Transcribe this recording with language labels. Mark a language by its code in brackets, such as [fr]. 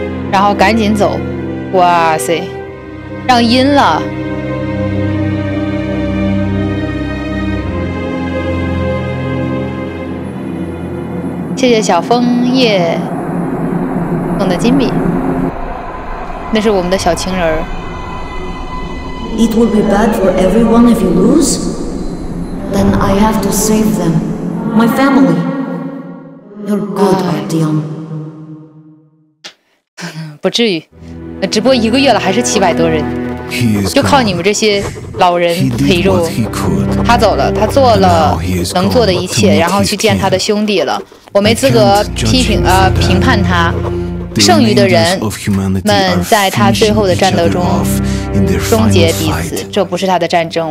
[zh] 然后赶紧走，哇塞，让阴了。谢谢小枫叶送的金币，那是我们的小情人。 [en] It will be bad for everyone if you lose. Then I have to save them, my family. You're good, Artyom. [zh] 不至于，直播一个月了还是七百多人，就靠你们这些老人陪着我。他走了，他做了能做的一切，然后去见他的兄弟了。我没资格评判他。剩余的人们在他最后的战斗中终结彼此，这不是他的战争。